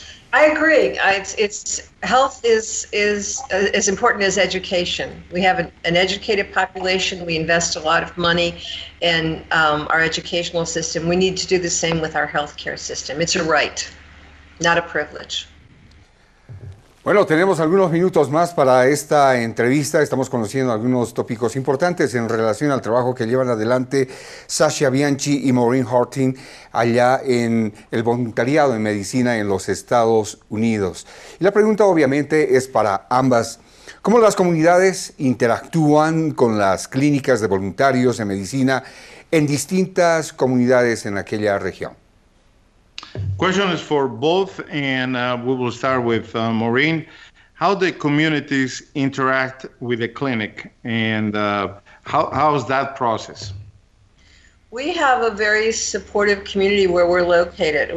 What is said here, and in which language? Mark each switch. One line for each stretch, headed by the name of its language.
English: I agree. Health is as important as education. We have an educated population. We invest a lot of money in our educational system. We need to do the same with our healthcare system. It's a right, not a privilege.
Spanish: Bueno, tenemos algunos minutos más para esta entrevista. Estamos conociendo algunos tópicos importantes en relación al trabajo que llevan adelante Sasha Bianchi y Maureen Hartin allá en el voluntariado en medicina en los Estados Unidos. Y la pregunta obviamente es para ambas. ¿Cómo las comunidades interactúan con las clínicas de voluntarios en medicina en distintas comunidades en aquella región?
English: Question is for both, and we will start with Maureen. How do communities interact with the clinic, and how is that process? We have a very supportive community where we're located.